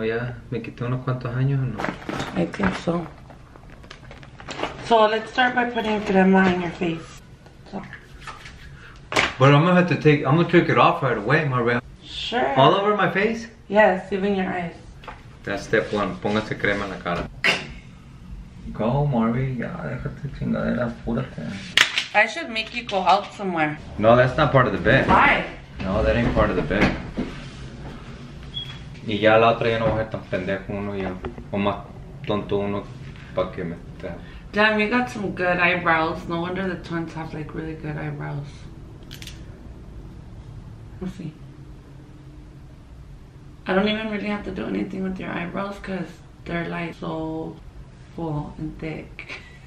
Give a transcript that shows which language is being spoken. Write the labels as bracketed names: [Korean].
[Spanish] Yeah, me quité unos cuantos años or no? [English] I think so. So let's start by putting crema on your face. So. But I'm gonna have to take, I'm gonna take it off right away, Maria. Sure. All over my face? Yes, even your eyes. That's step one. [Spanish] Póngase crema en la cara. [English] Go, Marvin. [Spanish] Yeah, déjate chingadera, apúrate. [English] I should make you go out somewhere. No, that's not part of the bed. Why? No, that ain't part of the bed. [Spanish] Y ya la otra ya no va a ser tan pendejo uno ya. O más tonto uno para que me esté. [English] Damn, you got some good eyebrows. No wonder the twins have like really good eyebrows. Let's see. I don't even really have to do anything with your eyebrows because they're like so full and thick.